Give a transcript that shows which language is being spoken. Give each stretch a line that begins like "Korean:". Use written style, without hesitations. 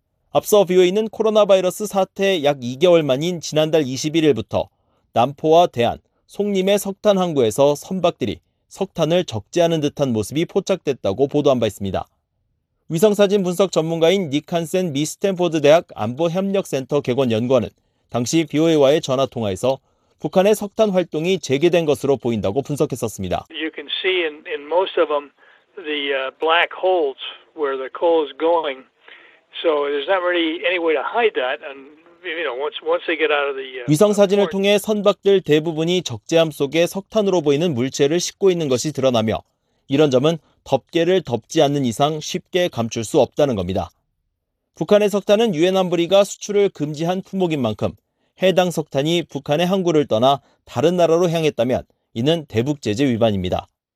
Korean: 앞서 BOA는 코로나 바이러스 사태 약 2개월 만인 지난달 21일부터 남포와 대한, 송림의 석탄 항구에서 선박들이 석탄을 적재하는 듯한 모습이 포착됐다고 보도한 바 있습니다. 위성사진 분석 전문가인 니칸센 미 스탠포드 대학 안보협력센터 객원 연구원은 당시 BOA와의 전화통화에서 북한의 석탄 활동이 재개된 것으로 보인다고 분석했었습니다.
English: You can see in most of them the black holes where the coal is going. So there's not really any way to hide that. And you know, once they get out of the
Korean: 위성사진을 통해 선박들 대부분이 적재함 속에 석탄으로 보이는 물체를 싣고 있는 것이 드러나며 이런 점은 덮개를 덮지 않는 이상 쉽게 감출 수 없다는 겁니다. 북한의 석탄은 유엔 안보리가 수출을 금지한 품목인 만큼 해당 석탄이 북한의 항구를 떠나 다른 나라로 향했다면 이는 대북 제재 위반입니다.